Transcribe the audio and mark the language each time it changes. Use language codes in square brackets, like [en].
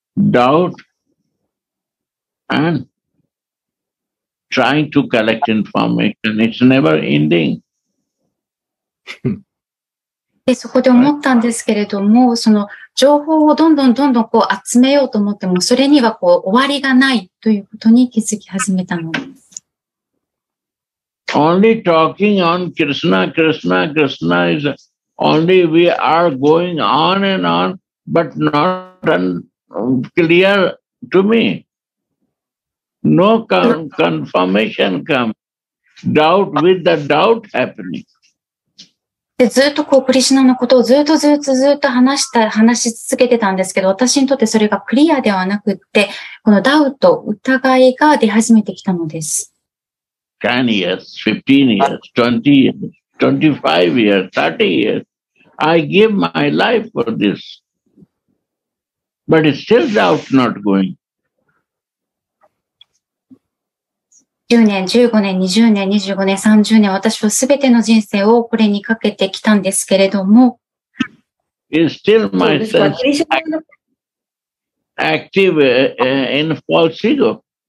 [en] Doubt, and trying to collect information, it's never ending. [ja] で、そこで思ったんですけれども、その情報をどんどんどんどんこう集めようと思っても、それにはこう終わりがないということに気づき始めたのです。 [en] Only talking on Krishna, Krishna, Krishna is only we are going on and on, but not clear to me. No confirmation comes. Doubt with the doubt happening. [ja] でずっとこうクリシナのことをずっとずっとずっと話し続けてたんですけど、私にとってそれがクリアではなくって、このダウト、疑いが出始めてきたのです。 [en] 10 years, 15 years, 20 years, 25 years, 30 years. I give my life for this. But it's still doubt not going. [ja] 10年、15年、20年、25年、30年、私はすべての人生をこれにかけてきたんですけれども。 [en] It's still my sense active in false ego.